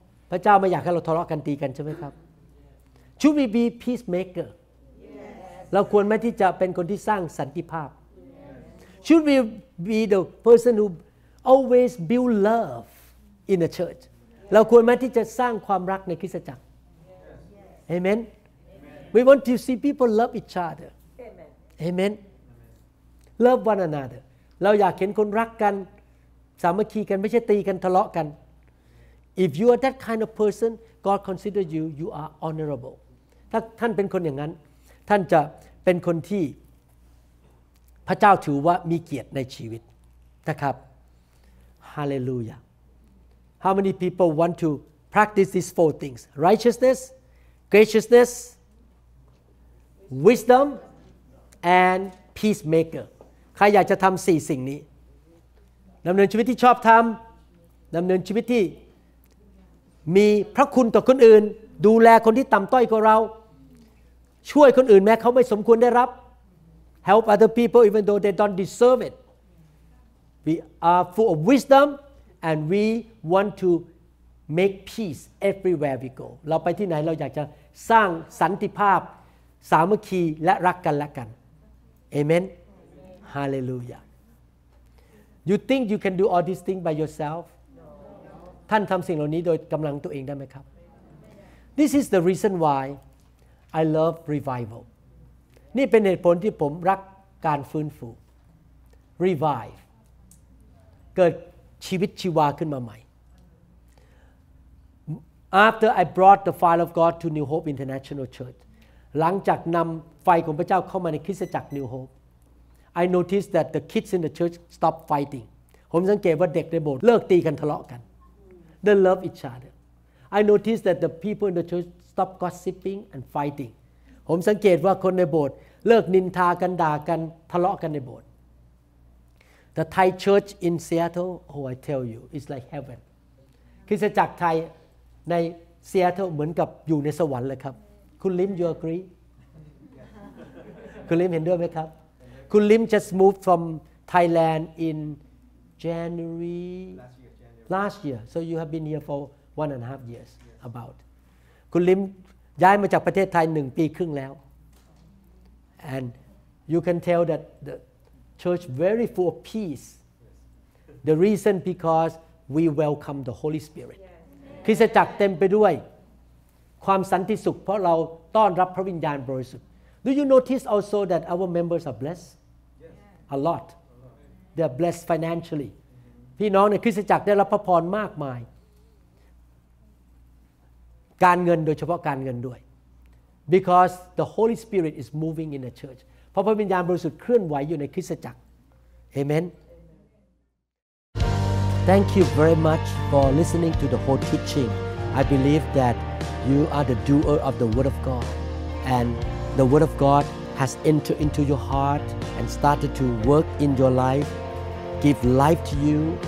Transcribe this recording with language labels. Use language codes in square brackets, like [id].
[th] พระเจ้าไม่อยากให้เราทะเลาะกันตีกันใช่ไหมครับ [en] Should we be peacemaker? [th] เราควรไหมที่จะเป็นคนที่สร้างสันติภาพ [en] Should we be the person who always build love in the church? [th] เราควรไหมที่จะสร้างความรักในคริสตจักร Amen. [en] We want to see people love each other. Amen. Love one another. [th] เราอยากเห็นคนรักกันสามัคคีกันไม่ใช่ตีกันทะเลาะกัน [en] If you are that kind of person, God consider you, you are honorable. [th] ถ้าท่านเป็นคนอย่างนั้นท่านจะเป็นคนที่พระเจ้าถือว่ามีเกียรติในชีวิตนะครับ Hallelujah. [en] How many people want to practice these four things? Righteousness, graciousness, wisdom, and peacemaker. [th] ใครอยากจะทำสี่สิ่งนี้ดำเนินชีวิตที่ชอบธรรมดำเนินชีวิตที่มีพระคุณต่อคนอื่นดูแลคนที่ต่ำต้อยกว่าเราช่วยคนอื่นแม้เขาไม่สมควรได้รับ [en] Help other people even though they don't deserve it. We are full of wisdomAnd we want to make peace everywhere we go. [th] เราไปที่ไหนเราอยากจะสร้างสันติภาพสามัคคีและรักกันและกัน Amen. [en] Hallelujah. You think you can do all these things by yourself? [th] ท่านทำสิ่งเหล่านี้โดยกำลังตัวเองได้ไหมครับ [en] This is the reason why I love revival. [th] นี่เป็นเหตุผลที่ผมรักการฟื้นฟู Revive. เกิดชีวิตชีวาขึ้นมาใหม่ [en] After I brought the fire of God to New Hope International Church [th] หลังจากนำไฟของพระเจ้าเข้ามาในคริสตจักร New Hope [en] I noticed that the kids in the church stopped fighting [th] ผมสังเกตว่าเด็กในโบสถ์เลิกตีกันทะเลาะกัน [en] They love each other I noticed that the people in the church stopped gossiping and fighting [th] ผมสังเกตว่าคนในโบสถ์เลิกนินทากันด่ากันทะเลาะกันในโบสถ์ [en] The Thai Church in Seattle, oh, I tell you, it's like heaven. [th] คริสตจักรไทยในซีแอตเทิลเหมือนกับอยู่ในสวรรค์เลยครับคุณลิม [en] you agree [th] คุณลิมเห็นด้วยไหมครับคุณลิม [en] just moved from Thailand in January last year. So you have been here for 1.5 years about. [th] คุณลิมย้ายมาจากประเทศไทย1 ปีครึ่งแล้ว [en] and you can tell that the church very full of peace. The reason because we welcome the Holy Spirit. [th] คริสตจักรเต็มไปด้วยความสันติสุขเพราะเราต้อนรับพระวิญญาณบริสุทธิ์ [en] Do you notice also that our members are blessed? Yeah. A lot. They're blessed financially. [th] พี่น้องในคริสตจักรได้รับพระพรมากมายการเงินโดยเฉพาะการเงินด้วย [en] Because the Holy Spirit is moving in the church. [th] เพราะพระวิญญาณบริสุทธิ์เคลื่อนไหวอยู่ในคริสตจักร Amen. [en] Thank you very much for listening to the whole teaching. I believe that you are the doer of the Word of God. And the Word of God has entered into your heart and started to work in your life, give life to you.